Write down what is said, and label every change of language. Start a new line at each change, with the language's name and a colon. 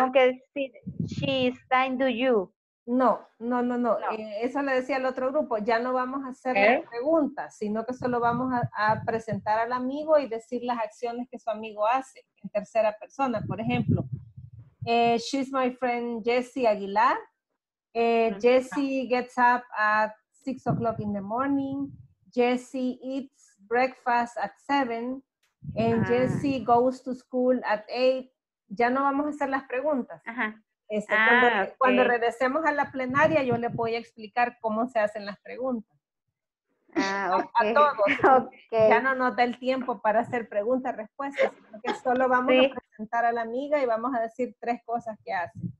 Spanish: Tengo que decir,
English: she's time to you.
Spanish: No. Eso le decía al otro grupo. Ya no vamos a hacer preguntas, sino que solo vamos a presentar al amigo y decir las acciones que su amigo hace en tercera persona. Por ejemplo,
English: she's my friend Jesse Aguilar. Jesse gets up at 6 o'clock in the morning. Jesse eats breakfast at 7, and Jesse goes to school at 8.
Spanish: Ya no vamos a hacer las preguntas. Ajá. Cuando regresemos a la plenaria, yo le voy a explicar cómo se hacen las preguntas. Okay. A todos. Okay. Ya no nos da el tiempo para hacer preguntas, respuestas, sino que solo vamos a presentar a la amiga y vamos a decir 3 cosas que hace.